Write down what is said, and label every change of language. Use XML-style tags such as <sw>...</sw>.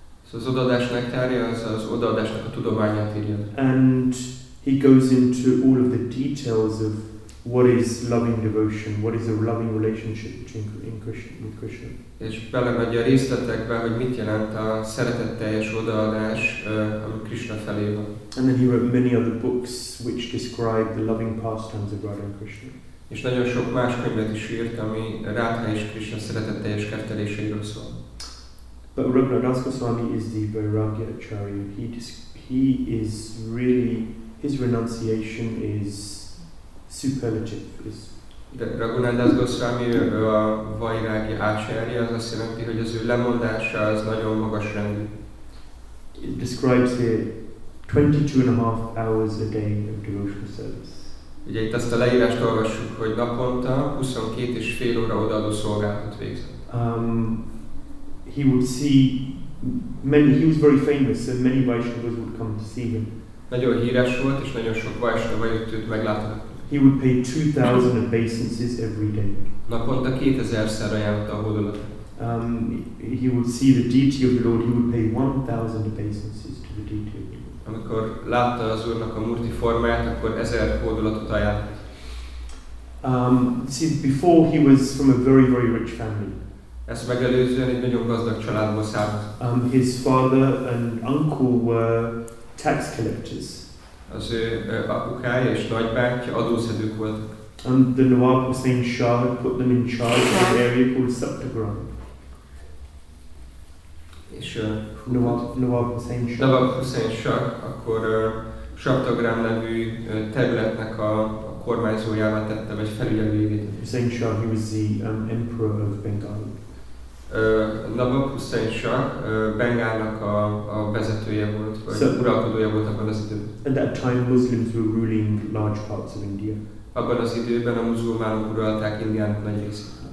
<hu>Szóval az odaadás nektárja, az odaadásnak a tudományát írja.</hu> <en>And he goes into all of the details of what is loving devotion, what is a loving relationship between Krishna with Krishna.</en> <hu>És belemegy a részletekbe, hogy mit jelent a szeretetteljes odaadás, ami Krishna felé van.</hu> <en>And then he wrote many other books which describe the loving pastimes of Radha and Krishna.</en> <hu>És nagyon sok más könyvet is írt, ami Radha és Krishna szeretetteljes kerteléséről szól.</hu> <en>But Raghuram Das Goswami is the Vairagya Acharya. He is really, his renunciation is superlative.</en> <hu>Is Raghuram Das Goswami a Vairagya Acharya, az azt jelenti, hogy az ő lemondása az nagyon magas rendű.</hu> <en>It describes here 22 and a half hours a day of devotional service.</en> <hu>Ugye itt azt a leírást olvassuk, hogy naponta 22 és fél óra odaadó szolgálatot végzett.</hu> <en>He would see many, he was very famous, so many Vaishnavas would come to see him.</en> <hu>Nagyon híres volt, és nagyon sok Vaishnava jött őt meglátni.</hu> <en>He would pay 2,000 obeisances every day.</en> <hu>Naponta 2,000-szer ajánlotta a hódolat.</hu> <en>He would see the deity of the Lord, he would pay 1,000 obeisances to the deity of the Lord.</en> <hu>Amikor látta az Úrnak a murti formáját, akkor 1,000 hódolatot ajánlott.</hu> <en>See, before he was from a very, very rich family.</en> <hu>Ezt megelőzően egy nagyon gazdag családból származott.</hu> <en>His father and uncle were tax collectors.</en> <hu>Az ő apukája és nagybátyja adószedők voltak.</hu> <en>And the Nawab Hussain Shah put them in charge of an area called Saptagram.</en> <hu>És Nawab Hussain Shah akkor Saptagram nevű területnek a kormányzójává tette, vagy felügyelőjét.</hu> <en>Hussain Shah, he was the emperor of Bengal.</en> <hu>Nawab Hussain Shah Bengálnak a vezetője volt, vagy uralkodója volt abban az időben.</hu> <en>At that time Muslims were ruling large parts of India.</en> <hu>Abban az időben a muzulmánok uralták Indiának nagy részét.</hu>